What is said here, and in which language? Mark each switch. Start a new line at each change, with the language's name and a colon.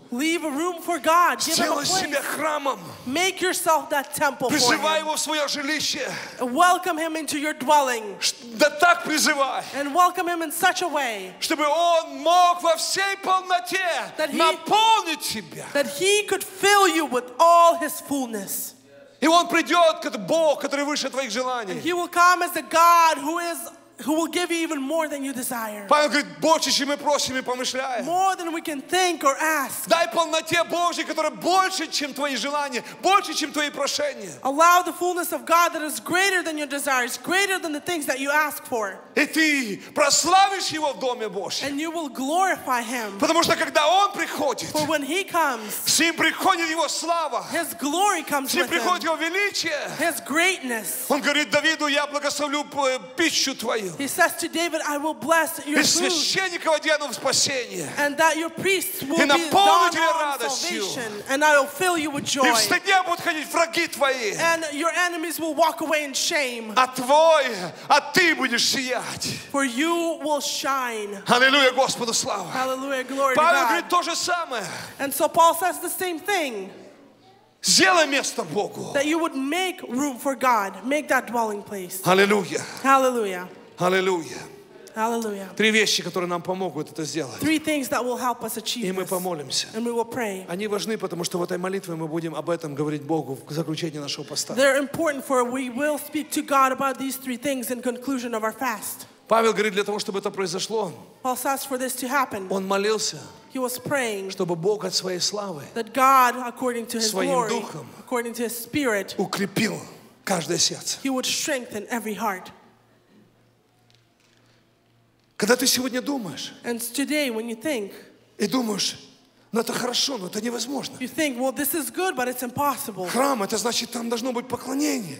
English: Leave room for God.
Russian: Сделай себя храмом.
English: Make yourself that temple.
Russian: Призывай его в свое жилище.
English: Welcome him into your dwelling.
Russian: Да так призывай.
English: And welcome him in such a way.
Russian: Чтобы он мог во всей полноте наполнить тебя.
English: That he could fill you with all his fullness.
Russian: И он придет как Бог, который выше твоих желаний.
English: And he will come as the God who is who will give you even more than you desire.
Russian: Павел говорит, больше, чем мы просим и помышляем.
English: More than we can think or ask.
Russian: Дай полноте Божьей, которая больше, чем твои желания, больше, чем твои прошения.
English: Allow the fullness of God that is greater than your desires, greater than the things that you ask for.
Russian: И ты прославишь его в доме Божьем.
English: And you will glorify him.
Russian: Потому что когда он приходит,
English: for when he comes,
Russian: с ним приходит его слава.
English: His glory comes with him.
Russian: С ним приходит его величие.
English: His greatness.
Russian: Он говорит Давиду, я благословлю пищу твою.
English: He says to David, I will bless your food.
Russian: И священников одену в спасение.
English: And that your priests will be donned on salvation. And I will fill you with joy.
Russian: И в стыде будут ходить враги твои.
English: And your enemies will walk away in shame.
Russian: А твой, а ты будешь сиять.
English: For you will shine.
Russian: Аллилуйя, Господу слава.
English: Hallelujah, glory
Russian: Павел
English: to God.
Russian: Говорит то же самое.
English: And so Paul says the same thing.
Russian: Сделай место Богу.
English: That you would make room for God. Make that dwelling place.
Russian: Аллилуйя.
English: Hallelujah.
Russian: Аллилуйя.
English: Hallelujah.
Russian: Три вещи, которые нам помогут это сделать.
English: Three things that will help us achieve this.
Russian: И мы помолимся.
English: And we will pray.
Russian: Они важны, потому что в этой молитве мы будем об этом говорить Богу в заключении нашего поста.
English: They're important for we will speak to God about these three things in conclusion of our fast.
Russian: Павел говорит, для того, чтобы это произошло,
English: Paul says for this to happen,
Russian: он молился,
English: he was praying,
Russian: чтобы Бог от своей славы,
English: that God, according to his
Russian: своим
English: glory,
Russian: духом,
English: according to his spirit,
Russian: укрепил каждое сердце.
English: He would strengthen every heart.
Russian: Когда ты сегодня думаешь,
English: and today, when you think,
Russian: и думаешь, ну это хорошо, но это невозможно.
English: You think, well, this is good, but it's impossible.
Russian: Храм, это значит, там должно быть поклонение.